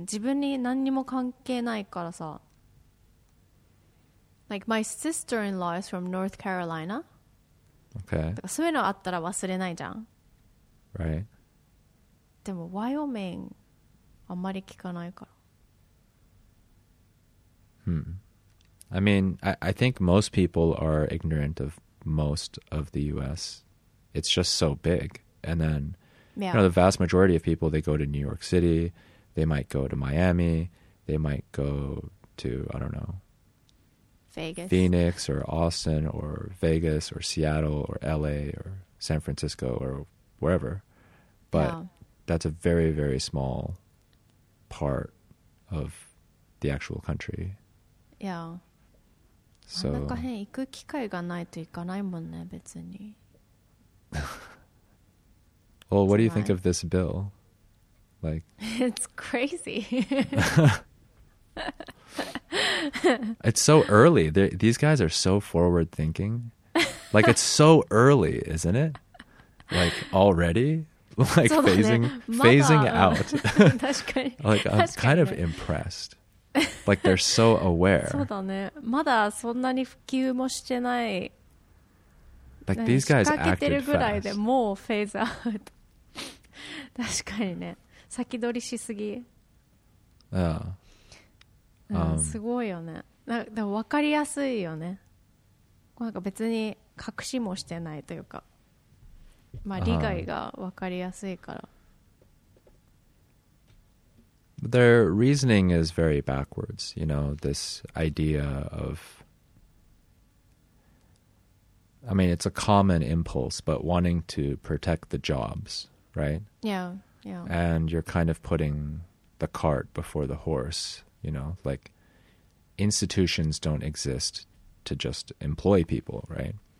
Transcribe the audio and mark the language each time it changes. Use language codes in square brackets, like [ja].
[ja] 自分に何にも関係ないからさ。 [en] Like my sister-in-law is from North Carolina. Okay. [ja] とかそういうのあったら忘れないじゃん。 [en] Right. [ja] でも Wyoming... あんまり聞かないから。 [en] I mean, I think most people are ignorant of most of the U.S. It's just so big. And then, you know, the vast majority of people, they go to New York City, they might go to Miami, they might go to, I don't know, Vegas, Phoenix or Austin or Vegas or Seattle or L.A. or San Francisco or wherever. But that's a very, very small... part of the actual country. Yeah. So. [ja] なんか変行く機会がないと行かないもんね別に。 [en] Well, what do you think of this bill? Like. It's crazy. It's so early. These guys are so forward thinking. Like it's so early, isn't it? Like already. Like phasing out. Like I'm kind of impressed. Like they're so aware. [ja] そうだね。まだそんなに普及もしてない。 [en] Like these guys acted fast. [ja] 仕掛けてるぐらいでもうフェーズアウト。確かにね。先取りしすぎ。すごいよね。なんか分かりやすいよね。なんか別に隠しもしてないというか。まあ理解が分かりやすいから。 [en] Their reasoning is very backwards, you know, this idea of, I mean, it's a common impulse, but wanting to protect the jobs, right? Yeah. And you're kind of putting the cart before the horse, you know, like institutions don't exist to just employ people, right?